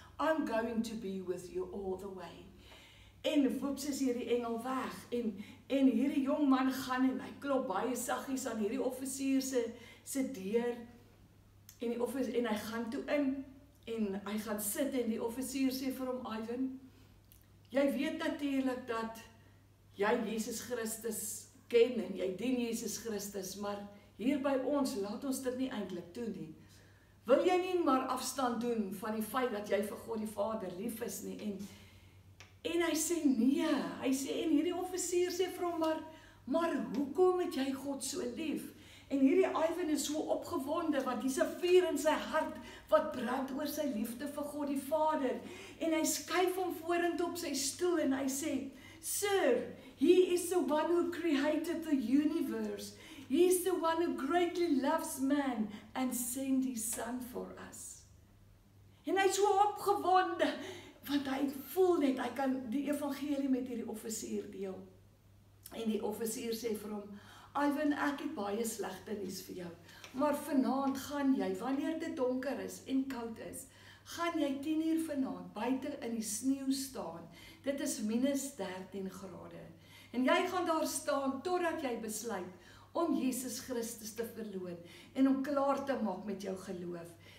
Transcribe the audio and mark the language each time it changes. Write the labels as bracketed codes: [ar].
[en] I'm going to be with you all the way." [af] En voeps is hierdie engel weg en hierdie jong man gaan en hy klop baie saggies aan hierdie offisier se deur en die offisier en hy gaan toe in en hy gaan sit en die offisier sê vir hom, Ivan, jy weet natuurlik dat jy Jesus Christus ken en jy dien Jesus Christus, maar hier by ons laat ons dit nie eintlik toe nie. Wil jy nie maar afstand doen van die feit dat jy vir God die Vader lief is nie? En hy sê nee, hy sê en hierdie offisier sê vir hom, maar hoekom het jy God so lief? En hierdie Ivan is so opgewonde want hier's 'n vuur in sy hart wat brand oor sy liefde vir God die Vader. En hy skuif hom vorentoe op sy stoel en hy sê, [en] Sir, He is the one who created the universe. He is the one who greatly loves man and sent his son for us. [af] En hy is so opgewonde, want hy voel net, hy kan die evangelie met hierdie offisier deel. En die offisier sê vir hom, Ivan, ek het baie slegte nuus vir jou, maar vanavond gaan jy, wanneer dit donker is en koud is, gaan jy 10 uur vanavond buiten in die sneeuw staan, dit is minus 13 grade, en jy gaan daar staan totdat jy besluit om Jesus Christus te verloon en om klaar te maak met jou geloof.